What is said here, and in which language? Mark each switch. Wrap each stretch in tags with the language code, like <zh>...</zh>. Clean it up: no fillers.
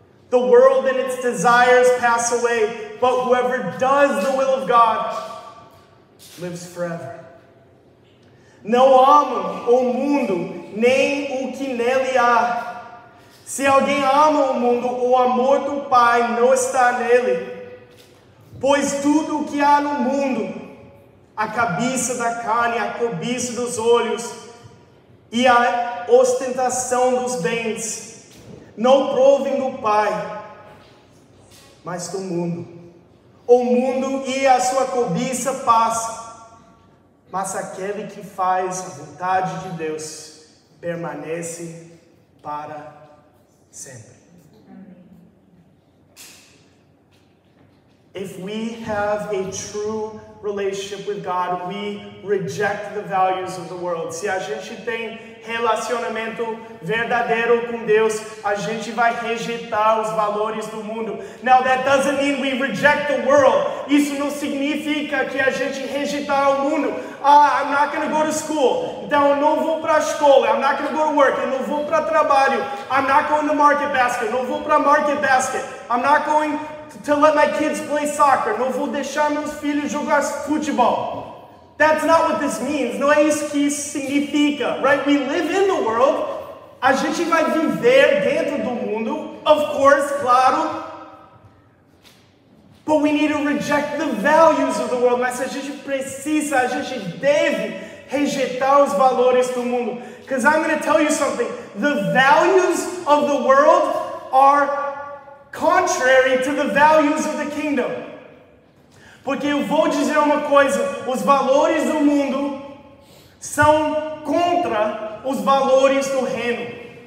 <en>The world and its desires pass away, but whoever does the will of God lives forever.</en> <pt>Não ama o mundo, nem o que nele há. Se alguém ama o mundo, o amor do Pai não está nele. Pois tudo o que há no mundo, a cobiça da carne, a cobiça dos olhos e a ostentação dos bens, não provém do Pai, mas do mundo. O mundo e a sua cobiça passam, mas aquele que faz a vontade de Deus permanece para sempre.</pt> <en>If we have a true relationship with God, we reject the values of the world.</en> <pt>Se a gente tem relacionamento verdadeiro com Deus, a gente vai rejeitar os valores do mundo.</pt> <en>Now that doesn't mean we reject the world.</en> <pt>Isso não significa que a gente rejeitar o mundo.</pt> <en>Ah, I'm not going to go to school.</en> <pt>Então eu não vou para a escola.</pt> <en>I'm not going to go to work.</en> <pt>Eu não vou para trabalho.</pt> <en>I'm not going to market basket.</en> <pt>Eu não vou para market basket.</pt> <en>I'm not going to let my kids play soccer.</en> <pt>Não vou deixar meus filhos jogar futebol.</pt> <en>That's not what this means.</en> <pt>Não é isso que isso significa,</pt> <en>right? We live in the world.</en> <pt>A gente vai viver dentro do mundo,</pt> <en>of course,</en> <pt>claro.</pt> <en>But we need to reject the values of the world.</en> <pt>Mas a gente precisa, a gente deve rejeitar os valores do mundo.</pt> <en>Because I'm going to tell you something. The values of the world are contrary to the values of the kingdom.</en> <pt>Porque eu vou dizer uma coisa, os valores do mundo são contra os valores do reino.</pt>